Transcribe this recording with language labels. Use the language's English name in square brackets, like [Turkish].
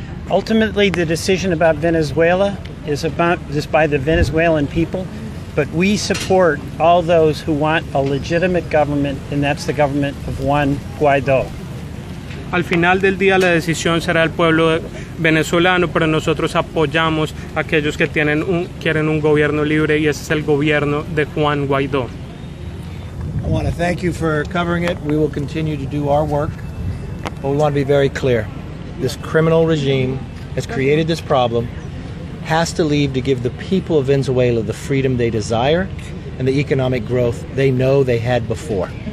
[English] Ultimately, the decision about Venezuela is about just by the Venezuelan people, but we support all those who want a legitimate government, and that's the government of Juan Guaidó. [Spanish] Al final del día, la decisión será el pueblo venezolano, pero nosotros apoyamos a aquellos que tienen un, quieren un gobierno libre, y ese es el gobierno de Juan Guaidó. [English] I want to thank you for covering it. We will continue to do our work, but we want to be very clear. This criminal regime has created this problem, has to leave to give the people of Venezuela the freedom they desire and the economic growth they know they had before.